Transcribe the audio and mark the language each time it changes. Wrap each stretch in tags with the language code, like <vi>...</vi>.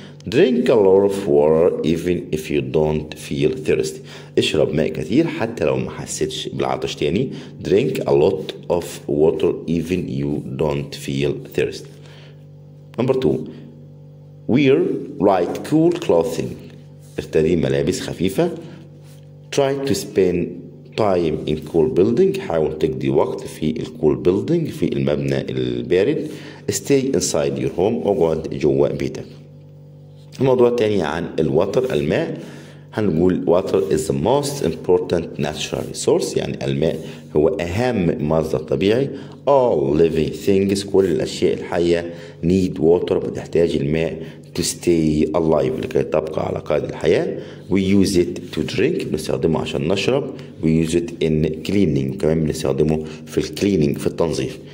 <en>Drink a lot of water even if you don't feel thirsty.</en> <ar>اشرب ماء كثير حتى لو ما حسيتش بالعطش تاني.</ar> <en>Drink a lot of water even you don't feel thirsty. Number 2. Wear light cool clothing.</en> <ar>ارتدي ملابس خفيفة.</ar> <en>Try to spend time in cool building.</en> <ar>حاول تقضي وقت في الكول بيلدينج في المبنى البارد.</ar> <en>Stay inside your home.</en> <ar>اقعد جوا بيتك. الموضوع الثاني عن الواتر الماء.</ar> <en>هنقول water is the most important natural resource.</en> <ar>يعني الماء هو أهم مصدر طبيعي.</ar> <en>all living things</en> <ar>كل الأشياء الحية</ar> <en>need water</en> <ar>بتحتاج الماء</ar> <en>to stay alive</en> <ar>لكي تبقى على قيد الحياة.</ar> <en>we use it to drink</en> <ar>بنستخدمه عشان نشرب.</ar> <en>we use it in cleaning</en> <ar>كمان بنستخدمه في</ar> <en>cleaning</en> <ar>في التنظيف.</ar>